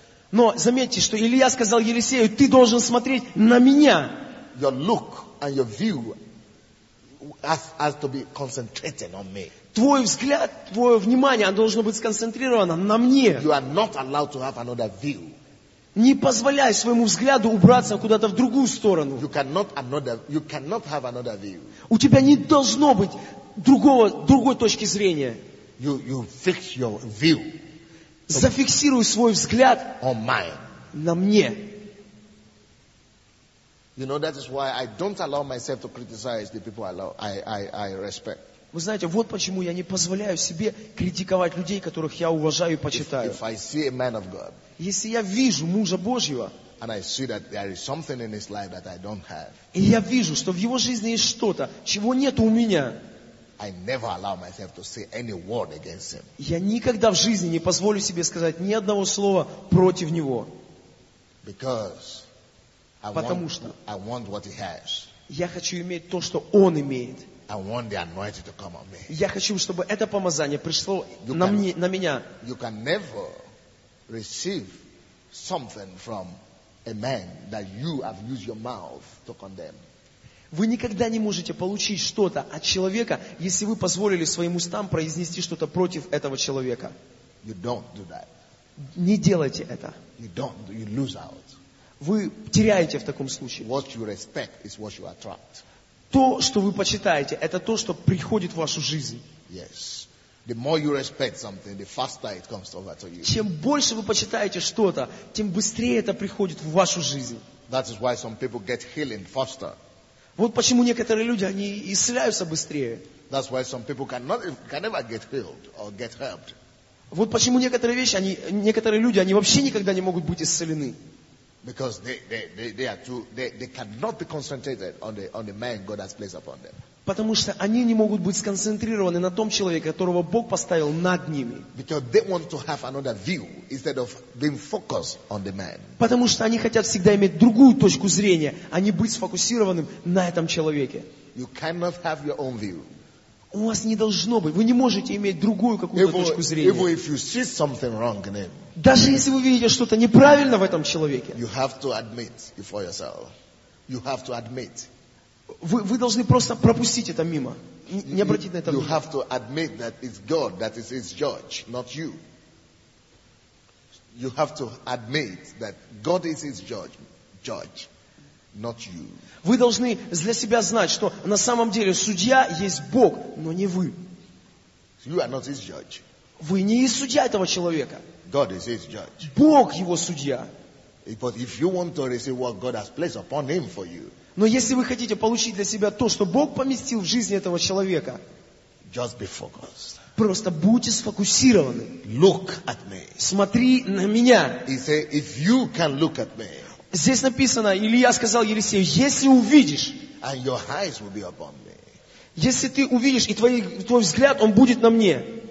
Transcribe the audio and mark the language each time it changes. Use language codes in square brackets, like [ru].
[ru] Но заметьте, что Илия сказал Елисею, ты должен смотреть на меня. [en] Your look and your view has to be concentrated on me. [ru] Твой взгляд, твое внимание, оно должно быть сконцентрировано на мне. [en] You are not allowed to have another view. [ru] Не позволяй своему взгляду убраться куда-то в другую сторону. [en] You cannot have another view. [ru] У тебя не должно быть другой точки зрения. [en] You fix your view. [ru] Зафиксируй свой взгляд [en] on mine. [ru] На мне. [en] You know, that is why I don't allow myself to criticize the people I respect. [ru] Вы знаете, вот почему я не позволяю себе критиковать людей, которых я уважаю и почитаю. [en] If I see a man of God, [ru] если я вижу мужа Божьего, и я вижу, что в его жизни есть что-то, чего нет у меня, [en] I never allow myself to say any word against him. [ru] Я никогда в жизни не позволю себе сказать ни одного слова против него. Потому что [en] I want what he has. [ru] Я хочу иметь то, что он имеет. [en] I want the anointing to come on me. [ru] Я хочу, чтобы это помазание пришло на меня. [en] You can never receive something from a man that you have used your mouth to condemn. [ru] Вы никогда не можете получить что-то от человека, если вы позволили своим устам произнести что-то против этого человека. [en] You don't do that. [ru] Не делайте это. [en] You don't. You lose out. [ru] Вы теряете в таком случае. [en] What you respect is what you attract. [ru] То, что вы почитаете, это то, что приходит в вашу жизнь. [en] Yes. The more you respect something, the faster it comes over to you. [ru] Чем больше вы почитаете что-то, тем быстрее это приходит в вашу жизнь. [en] That is why some people get healing faster. [ru] Вот почему некоторые люди, они исцеляются быстрее. [en] That's why some people can never get healed or get helped. [ru] Вот почему некоторые люди, они вообще никогда не могут быть исцелены. [en] Because they cannot be concentrated on the man God has placed upon them. [ru] Потому что они не могут быть сконцентрированы на том человеке, которого Бог поставил над ними. [en] Because they want to have another view instead of being focused on the man. [ru] Потому что они хотят всегда иметь другую точку зрения, а не быть сфокусированным на этом человеке. [en] You cannot have your own view. [ru] У вас не должно быть. Вы не можете иметь другую какую-то точку зрения. [en] Even if you see something wrong in him. [ru] Даже если вы видите что-то неправильно в этом человеке. [en] You have to admit before yourself. You have to admit. [ru] Вы должны просто пропустить это мимо. Не обратить на это внимание. [en] You have to admit that it's God that is his judge, not you. You have to admit that God is his judge, not you. [ru] Вы должны для себя знать, что на самом деле судья есть Бог, но не вы. [en] You are not his judge. [ru] Вы не и судья этого человека. [en] God is his judge. [ru] Бог его судья. [en] But if you want to receive what God has placed upon him for you, [ru] но если вы хотите получить для себя то, что Бог поместил в жизни этого человека, [en] just be focused. [ru] Просто будьте сфокусированы. [en] Look at me. [ru] Смотри на меня. [en] He said, if you can look at me, [ru] здесь написано, Илия сказал Елисею, если увидишь, [en] and your eyes will be upon me, [ru] если ты увидишь, и твой взгляд, он будет на мне,